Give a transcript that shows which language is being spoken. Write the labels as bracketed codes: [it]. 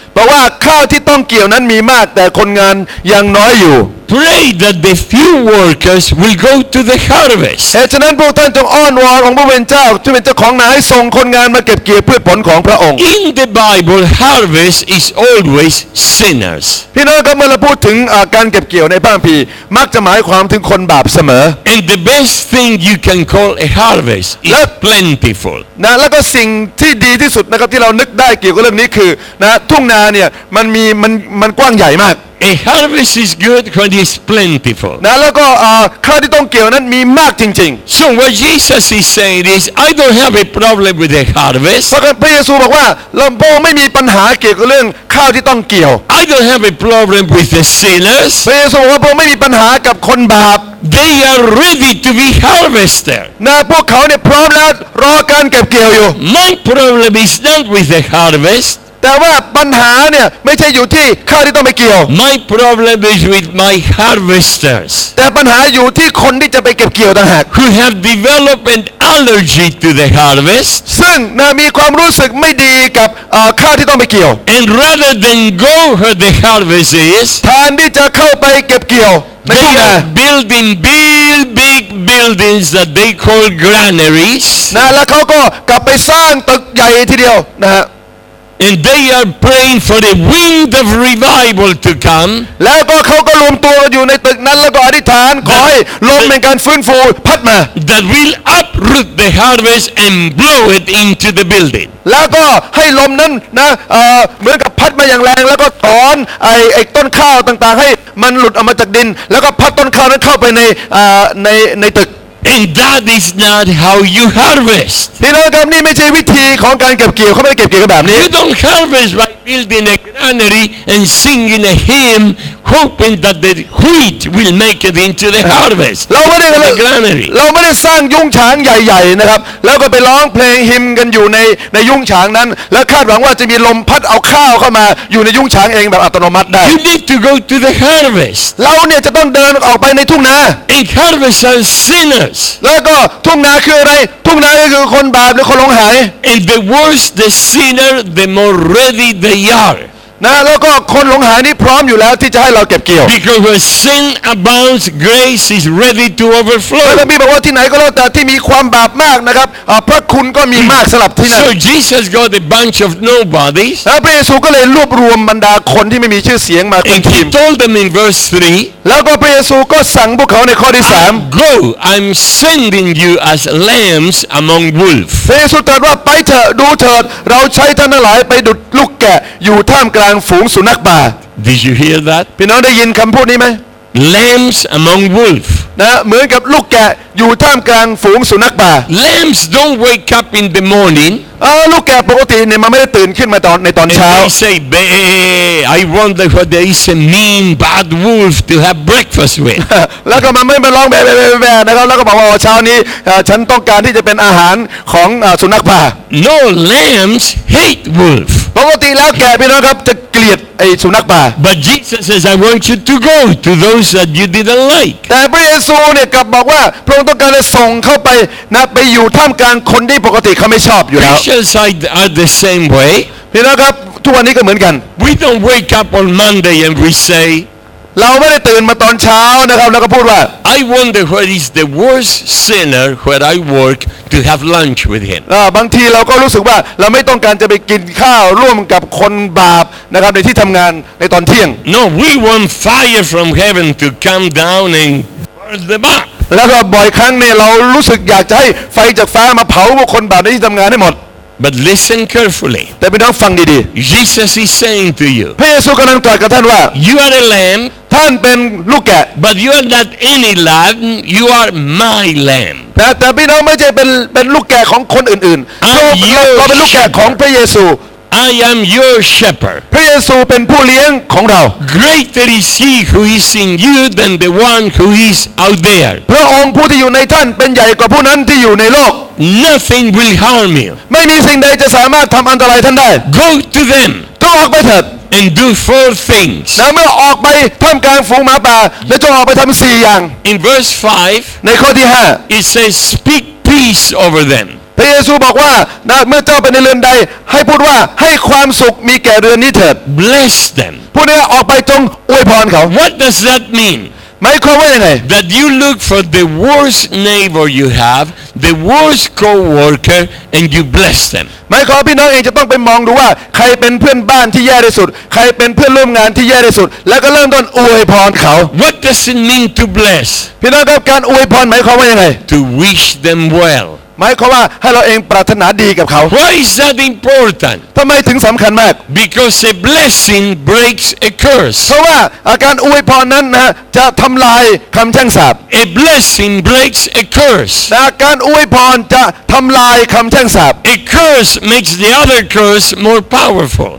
[en] But what cow [th] ที่ต้องเกี่ยวนั้นมีมากแต่คนงานยังน้อยอยู่ [en] Pray that the few workers will go to the harvest. [th] เหตุฉะนั้นพวกท่านจงอ้อนวอนองค์พระเจ้าที่เป็นเจ้าของนาให้ส่งคนงานมาเก็บเกี่ยวพืชผลของพระองค์ [en] In the Bible, harvest is always sinners. [th] พี่น้องครับเมื่อเราพูดถึงการเก็บเกี่ยวในพระคัมภีร์มักจะหมายความถึงคนบาปเสมอ [en] And the best thing you can call a harvest is plentiful. [th] นะแล้วก็สิ่งที่ดีที่สุดนะครับที่เรานึกได้เกี่ยวกับเรื่องนี้คือนะทุ่งนาเนี่ยมันมีมันกว้างใหญ่มาก [en] A harvest is good when it's plentiful. [th] นะแล้วก็ข้าวที่ต้องเกี่ยวนั้นมีมากจริง [en] ๆ So what Jesus is saying is, I don't have a problem with the harvest. [th] เพราะพระเยซูบอกว่าเราไม่มีปัญหาเกี่ยวกับเรื่องข้าวที่ต้องเกี่ยว [en] I don't have a problem with the sinners. [th] พระเยซูบอกว่าผมไม่มีปัญหากับคนบาป [en] They are ready to be harvested. [th] นะพวกเขาเนี่ยพร้อมแล้วรอการเก็บเกี่ยวอยู่ [en] My problem is not with the harvest. [th] แต่ว่าปัญหาเนี่ยไม่ใช่อยู่ที่ข้าวที่ต้องไปเกี่ยว [en] My problem is with my harvesters [th] แต่ปัญหาอยู่ที่คนที่จะไปเก็บเกี่ยวต่างหาก [en] Who have developed an allergy to the harvest [th] ซึ่งมีความรู้สึกไม่ดีกับข้าวที่ต้องไปเกี่ยว [en] And rather than go where the harvest is [th] แทนที่จะเข้าไปเก็บเกี่ยว [en] They are building big buildings that they call granaries [th] นะแล้วเขาก็กลับไปสร้างตึกใหญ่ทีเดียวนะฮะ [en] And they are praying for the wind of revival to come. [th] แล้วก็เขาก็รวมตัวอยู่ในตึกนั้นแล้วก็อธิษฐานขอให้ลมแห่งการฟื้นฟูพัดมา [en] That will uproot the harvest and blow it into the building. [th] แล้วก็ให้ลมนั้นนะเหมือนกับพัดมาอย่างแรงแล้วก็ถอนไอ้ต้นข้าวต่างๆให้มันหลุดออกมาจากดินแล้วก็พัดต้นข้าวนั้นเข้าไปในตึก [en] And that is not how you harvest. [th] นี่นะครับนี่ไม่ใช่วิธีของการเก็บเกี่ยวเขาไม่ได้เก็บเกี่ยวแบบนี้ [en] You don't harvest by building a granary and singing a hymn, hoping that the wheat will make it into the harvest. [th] เราไม่ได้ ทำ granary. เราไม่ได้สร้างยุ้งฉางใหญ่ๆนะครับแล้วก็ไปร้องเพลงฮิมกันอยู่ในยุ้งฉางนั้นแล้วคาดหวังว่าจะมีลมพัดเอาข้าวเข้ามาอยู่ในยุ้งฉางเองแบบอัตโนมัติได้ [en] You need to go to the harvest. [th] เราเนี่ยจะต้องเดินออกไปในทุ่งนา [en] And harvest are sinners. [th] แล้วก็ทุ่งนาคืออะไรทุ่งนาก็คือคนบาปหรือคนหลงหาย [en] And the worse the sinner the more ready they are [th] นะแล้วก็คนหลงหายนี่พร้อมอยู่แล้วที่จะให้เราเก็บเกี่ยว [en] Because where sin abounds grace is ready to overflow [th] แล้วมีบอกว่าที่ไหนก็แล้วแต่ที่มีความบาปมากนะครับพระคุณก็มีมากสำหรับที่นั่น [en] So Jesus got a bunch of nobodies [th] แล้วพระเยซูก็เลยรวบรวมบรรดาคนที่ไม่มีชื่อเสียงมาเป็นทีม [en] He told them in verse 3 [th] แล้วก็พระเยซูก็สั่งพวกเขาในข้อที่3 [en] Go I'm sending you as lambs among wolves [th] พระเยซูตรัสว่าไปเถอะดูเถิดเราใช้ท่านทั้งหลายไปดุจลูกแกะอยู่ท่ามกลางฝูงสุนัขป่า [en] Did you hear that [th] พี่น้องได้ยินคำพูดนี้ไหม [en] Lambs among wolves [th] นะเหมือนกับลูกแกะอยู่ท่ามกลางฝูงสุนัขป่า [en] Lambs don't wake up in the morning [th] ลูกแกะปกติเนี่ยมันไม่ได้ตื่นขึ้นมาในตอนเช้า [en] Say bae I wonder what there is a mean bad wolf to have breakfast with [th] แล้วก็มันไม่มาร้องแบบๆๆแล้วก็บอกว่าเช้านี้ฉันต้องการที่จะเป็นอาหารของสุนัขป่า [en] No lambs hate wolf [th] ปกติแล้วแกพี่น้องครับจะเกลียดไอ้สุนัขป่า [en] But Jesus says I want you to go to those that you didn't like [th] แต่พระเยซูเนี่ยกลับบอกว่าพระองค์ต้องการจะส่งเข้าไปนะไปอยู่ท่ามกลางคนที่ปกติเขาไม่ชอบอยู่แล้ว [en] Christians are the same way [th] พี่น้องครับทุกวันนี้ก็เหมือนกัน [en] We don't wake up on Monday and we say [th] เราไม่ได้ตื่นมาตอนเช้านะครับแล้วก็พูดว่า [en] I wonder what is the worst sinner where I workto have lunch with him [th] บางทีเราก็รู้สึกว่าเราไม่ต้องการจะไปกินข้าวร่วมกับคนบาปนะครับในที่ทํางานในตอนเที่ยง [en] No we want fire from heaven to come down and burn them up [th] แล้วก็บ่อยครั้งเนี่ยเรารู้สึกอยากจะให้ไฟจากฟ้ามาเผาพวกคนบาปในที่ทํางานให้หมด [en] But listen carefully [th] แต่พี่น้องฟังดี [en] ๆ Jesus is saying to you [th] พระเยซูกําลังตรัสกับท่านว่า [en] You are a lamb [th] ท่านเป็นลูกแกะ [en] But you are not any lamb you are my lamb [th] แต่พี่น้องไม่ใช่เป็นลูกแกะของคนอื่นๆเราเป็นลูกแกะของพระเยซู [en] I am your shepherd [th] พระเยซูเป็นผู้เลี้ยงของเรา [en] Greater is he who is in you than the one who is out there [th] พระองค์ผู้ที่อยู่ในท่านเป็นใหญ่กว่าผู้นั้นที่อยู่ในโลก [en] Nothing will harm you [th] ไม่มีสิ่งใดจะสามารถทำอันตรายท่านได้ [en] Go to them [th] ก็ออกไปเถิด [en] And do four things. [th] แล้วเมื่อออกไปท่ามกลางฝูงหมาป่าแล้วจงออกไปทำสี่อย่าง [en] In verse 5, [th] ในข้อที่ 5, [en] it says, "Speak peace over them." [th] พระเยซูบอกว่านะเมื่อเจ้าไปในเรือนใดให้พูดว่าให้ความสุขมีแก่เรือนนี้เถิด [en] Bless them. [th] พูดว่าออกไปจงอวยพรเขา [en] What does that mean? [th] หมายความว่าอย่างไร [en] That you look for the worst neighbor you have, the worst co-worker. And you bless them. My God, [th] พี่น้องเองจะต้องไปมองดูว่าใครเป็นเพื่อนบ้านที่แย่ที่สุดใครเป็นเพื่อนร่วมงานที่แย่ที่สุดแล้วก็เริ่มต้นอวยพรเขา [en] What does it mean to bless? [th] พี่น้องครับการอวยพรหมายความว่ายังไง [en] To wish them well. [th] หมายความว่าให้เราเองปรารถนาดีกับเขา [en] Why is that important? [th] ทำไมถึงสำคัญมาก [en] Because a blessing breaks a curse. [th] เพราะว่าอาการอวยพรนั้นนะจะทำลายคำแช่งสาป [en] A blessing breaks a curse. [th] อาการอวยพรจะทำลายคำแช่งสาป [en] A curse makes the other curse more powerful.